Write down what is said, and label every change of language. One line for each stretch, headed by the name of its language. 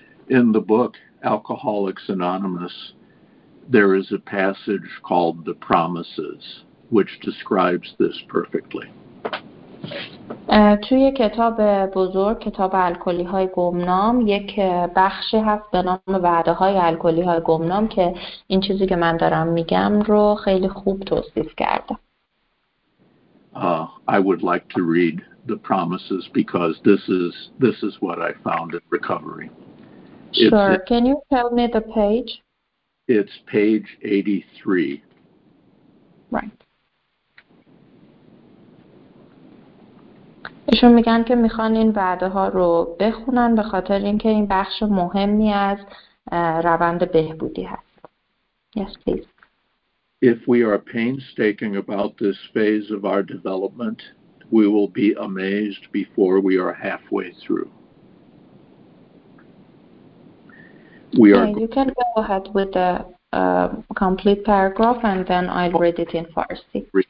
English: In the book Alcoholics Anonymous there is a passage called The Promises which describes this perfectly.
Persian: توی کتاب بزرگ، کتاب الکلی های گمنام، یک بخشی هست به نام وعده های الکلی های گمنام که این چیزی که من دارم میگم رو خیلی خوب توصیف کرده.
English: I would like to read the promises because this is what I found in recovery. Sure. Can you tell me the page? It's page 83. Right.
Persian: ایشون میگن که میخوان این وعده ها رو بخونن به خاطر اینکه این بخش مهمی از روند بهبودی هست.
English: Yes, please. If we are painstaking about this phase of our development, we will be amazed before we are halfway through. You can go ahead with the complete paragraph and then I'll read it in Farsi.